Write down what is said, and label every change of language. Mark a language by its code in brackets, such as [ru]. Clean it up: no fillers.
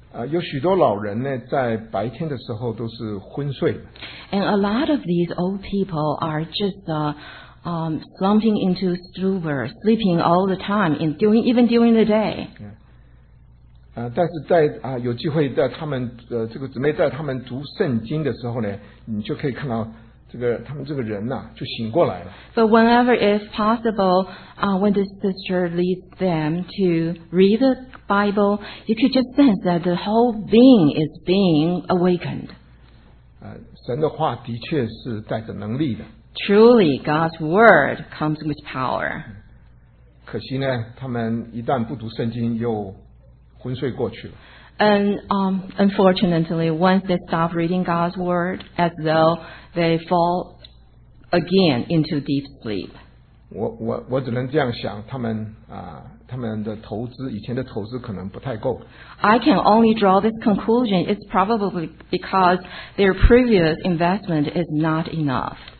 [zh] 有许多老人呢，在白天的时候都是昏睡的。 [en] And a lot of these old people are just slumping into stupor, sleeping all the time, even during the day. Yeah. [zh] 但是在有机会在他们这个姊妹在他们读圣经的时候呢，你就可以看到这个他们这个人呐、就醒过来了。 [en] But whenever if possible, when the sister leads them to read the Bible, you could just sense that the whole being is being awakened. [zh] 神的话的确是带着能力的。 [en] Truly, God's word comes with power. [zh] 可惜呢，他们一旦不读圣经又。昏睡过去了。 [en] And unfortunately, once they stop reading God's word, as though they fall again into deep sleep. [zh] 我只能这样想，他们的投资，以前的投资可能不太够。 [en] I can only draw this conclusion. It's probably because their previous investment is not enough.